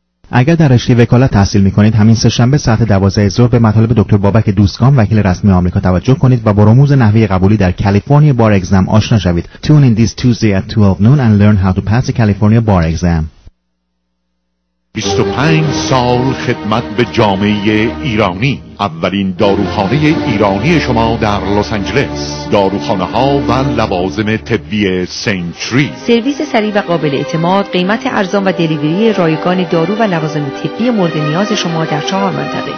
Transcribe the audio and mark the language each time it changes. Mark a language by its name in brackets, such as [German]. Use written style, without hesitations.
[Persian] اگر در رشته وکالت تحصیل می‌کنید، همین سه‌شنبه ساعت 12 ظهر به مطالب دکتر بابک دوستگان وکیل رسمی آمریکا توجه کنید و با رموز نحوه قبولی در کالیفرنیا بار اگزم آشنا شوید. [English] Tune in this Tuesday at 12 noon and learn how to pass a California bar exam. [Persian] 25 سال خدمت به جامعه ایرانی. اولین داروخانه ایرانی شما در لس آنجلس. داروخانه ها و لوازم طبی سنتری. سرویس سریع و قابل اعتماد، قیمت ارزان و دلیوری رایگان دارو و لوازم طبی مورد نیاز شما در 4 منطقه.